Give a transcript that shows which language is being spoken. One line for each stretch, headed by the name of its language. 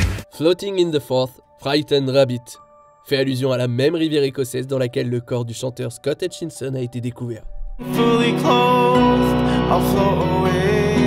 English: Floating in the Forth, Frightened Rabbit.
French: Fait allusion à la même rivière écossaise dans laquelle le corps du chanteur Scott Hutchinson a été découvert.
English: Fully clothed, I'll float away.